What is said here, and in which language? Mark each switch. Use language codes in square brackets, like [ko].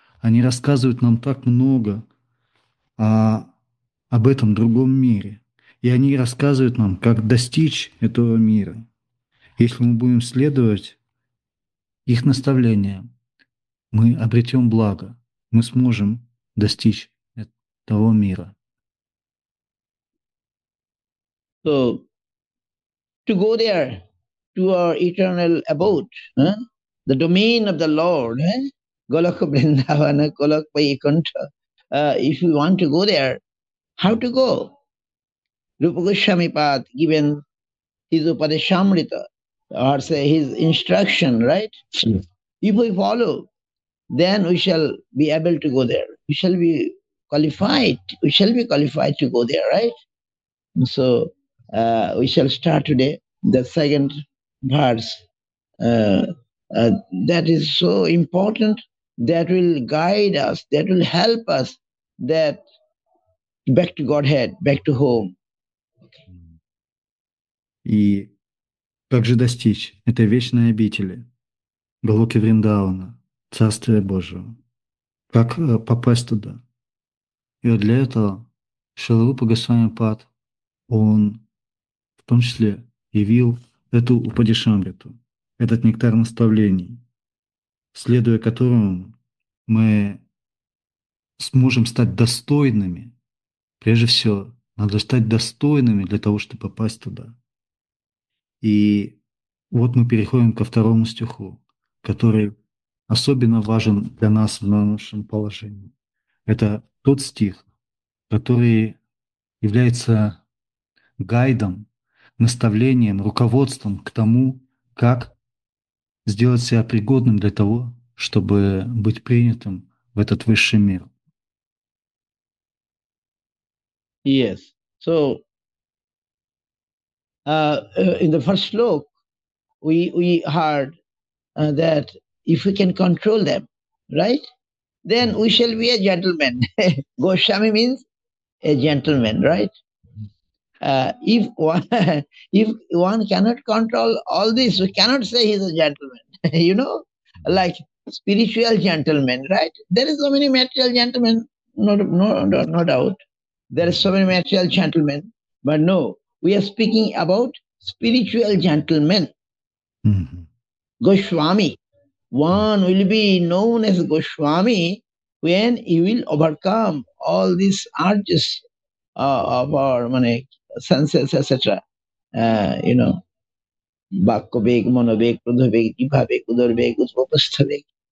[ru] Они рассказывают нам так много об этом другом мире. И они рассказывают нам, как достичь этого мира. Если мы будем следовать их наставлениям, мы обретем благо, мы сможем достичь того мира. [en] So, to go there, to our eternal abode, the domain of the Lord, Goloka Vrindavana, Goloka Vaikuntha, if we want to go there, how to go? Rupa Goswami Pad given his Upadeshamrita, or say his instruction, right? Yes. If we follow, then we shall be able to go there. We shall be qualified to go there, right? So, we shall start today the second verse. That is so important. That will guide us. That will help us. That back to Godhead, back to home. [ru] И как же достичь этой вечной обители Голоки Вриндавана, Царствия Божьего? Как попасть туда? И вот для этого Шрила Рупа Госвами Пад, он в том числе явил эту упадешамриту, этот нектар наставлений, следуя которому мы сможем стать достойными. Прежде всего, надо стать достойными для того, чтобы попасть туда. И вот мы переходим ко второму стиху, который особенно важен для нас в нашем положении. Это тот стих, который является гайдом, наставлением, руководством к тому, как сделать себя пригодным для того, чтобы быть принятым в этот высший мир. [en] Yes. So, in the first slok, we heard that if we can control them, right, then we shall be a gentleman. Goswami means a gentleman, right? If one cannot control all this, we cannot say he's a gentleman, you know, like spiritual gentleman, right? There is so many material gentlemen, no doubt. There is so many material gentlemen, but no, we are speaking about spiritual gentlemen. Goswami, one will be known as Goswami when he will overcome all these urges of our money. Senses, etc. You know, [bn] বাক্য বেগ, মনোবেগ, ক্রোধ বেগ, ইভা বেগ, উদর বেগ, উপস্থ বেগ।